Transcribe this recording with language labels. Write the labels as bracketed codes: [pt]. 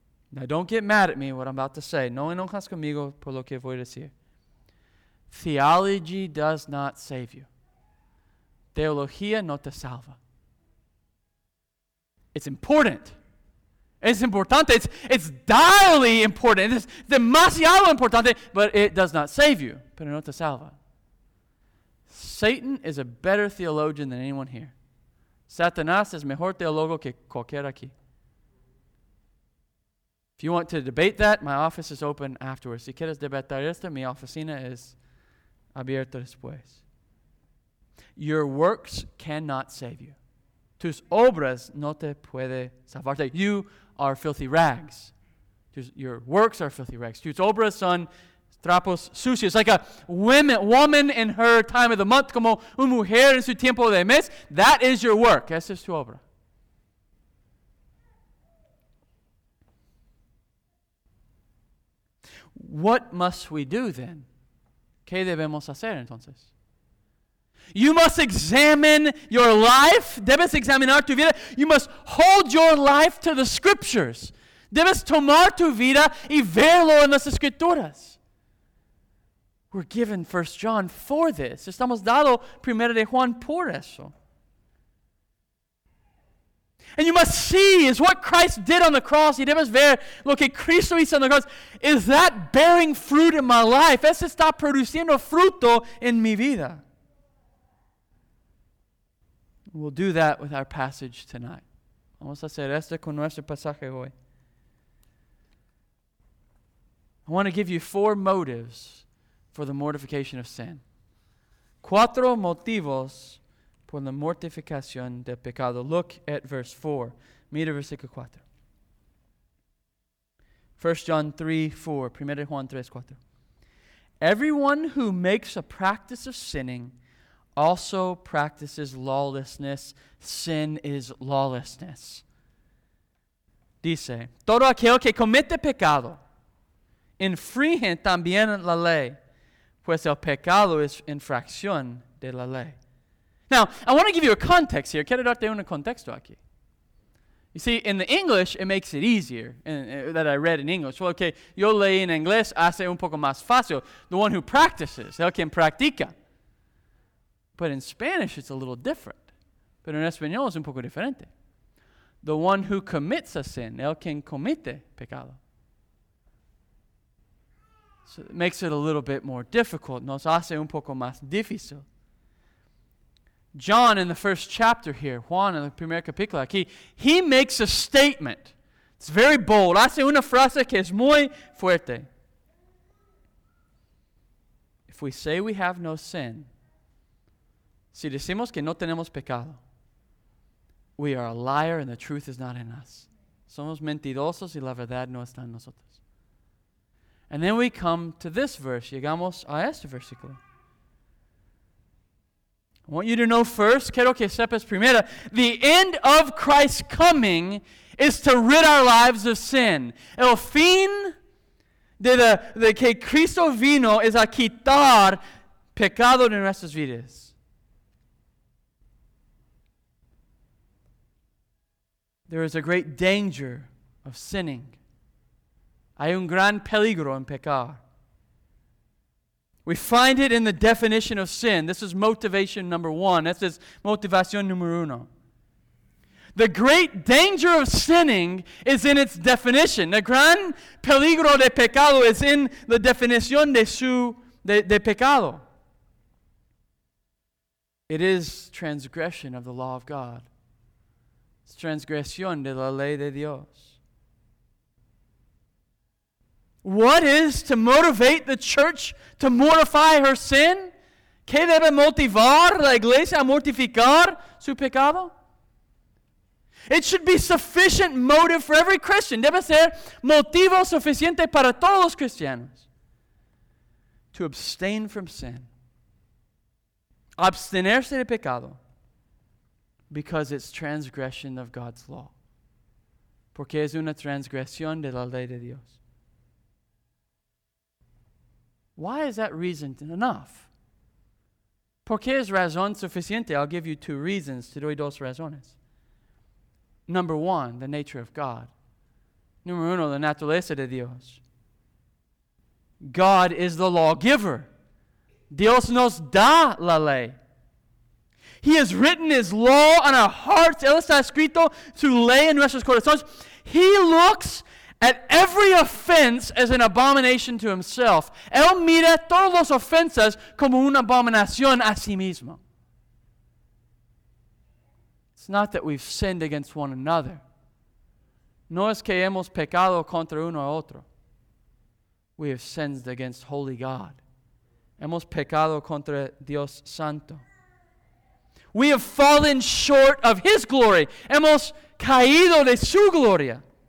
[en] Now don't get mad at me what I'm about to say. [es] No enojas conmigo por lo que voy a decir. [en] Theology does not save you. [es] Teología no te salva. [en] It's important. [es] Es importante. [en] It's direly important. It's demasiado importante. But it does not save you. [es] Pero no te salva. [en] Satan is a better theologian than anyone here. [es] Satanás es mejor teólogo que cualquiera aquí. [en] If you want to debate that, my office is open afterwards. [es] Si quieres debatir esto, mi oficina es abierta después. [en] Your works cannot save you. [es] Tus obras no te puede salvar. [en] You are filthy rags. Your works are filthy rags. [es] Tus obras son trapos sucios, [en] like a woman in her time of the month, [es] como una mujer en su tiempo de mes. [en] That is your work. [es] Esa es tu obra. [en] What must we do then? [es] ¿Qué debemos hacer entonces? [en] You must examine your life. [es] Debes examinar tu vida. [en] You must hold your life to the scriptures. [es] Debes tomar tu vida y verlo en las escrituras. [en] We're given 1 John for this. [es] Estamos dado 1 de Juan por eso. [en] And you must see is what Christ did on the cross. [es] Y debes ver lo que Cristo hizo en la cruz. [en] Is that bearing fruit in my life? [es] ¿Eso está produciendo fruto en mi vida? [en] We'll do that with our passage tonight. [es] Vamos a hacer esto con nuestro pasaje hoy. [en] I want to give you four motives for the mortification of sin. [es] Cuatro motivos por la mortificación del pecado. [en] Look at verse 4. [es] Mira versículo 4. [en] 1 John 3, 4. [es] Primero Juan 3, 4. [en] Everyone who makes a practice of sinning also practices lawlessness. Sin is lawlessness. [es] Dice, todo aquel que comete pecado infringe también la ley, pues el pecado es infracción de la ley. [en] Now, I want to give you a context here. [es] Quiero darte un contexto aquí. [en] You see, in the English, it makes it easier that I read in English. Well, okay, [es] yo leí en inglés, hace un poco más fácil. [en] The one who practices, [es] el quien practica. [en] But in Spanish, it's a little different. [es] Pero en español es un poco diferente. [en] The one who commits a sin, [es] el quien comete pecado. [en] So it makes it a little bit more difficult. [es] Nos hace un poco más difícil. [en] John in the first chapter here, [es] Juan en el primer capítulo aquí, [en] he makes a statement. It's very bold. [es] Hace una frase que es muy fuerte. [en] If we say we have no sin, [es] si decimos que no tenemos pecado, [en] we are a liar and the truth is not in us. [es] Somos mentirosos y la verdad no está en nosotros. [en] And then we come to this verse. [es] Llegamos a este versículo. [en] I want you to know first, [es] quiero que sepas primero, [en] the end of Christ's coming is to rid our lives of sin. [es] El fin de que Cristo vino es a quitar pecado de nuestras vidas. [en] There is a great danger of sinning. [es] Hay un gran peligro en pecar. [en] We find it in the definition of sin. This is motivation number one. This is [es] motivación número uno. [en] The great danger of sinning is in its definition. [es] El gran peligro de pecado es en la definición de pecado. [en] It is transgression of the law of God. It's [es] transgresión de la ley de Dios. [en] What is to motivate the church to mortify her sin? [es] ¿Qué debe motivar la iglesia a mortificar su pecado? [en] It should be sufficient motive for every Christian. [es] Debe ser motivo suficiente para todos los cristianos. [en] To abstain from sin. [es] Abstenerse de pecado. [en] Because it's transgression of God's law. [es] Porque es una transgresión de la ley de Dios. [en] Why is that reason enough? [es] ¿Por qué es razón suficiente? [en] I'll give you two reasons. [es] Te doy dos razones. [en] Number one, the nature of God. [es] Número uno, la naturaleza de Dios. [en] God is the lawgiver. [es] Dios nos da la ley. [en] He has written His law on our hearts. [es] Él está escrito su ley en nuestros corazones. [en] He looks at every offense as an abomination to himself. [es] Él mira todas las ofensas como una abominación a sí mismo. [en] It's not that we've sinned against one another. [es] No es que hemos pecado contra uno a otro. [en] We have sinned against holy God. [es] Hemos pecado contra Dios Santo. [en] We have fallen short of His glory. [es] Hemos caído de su gloria.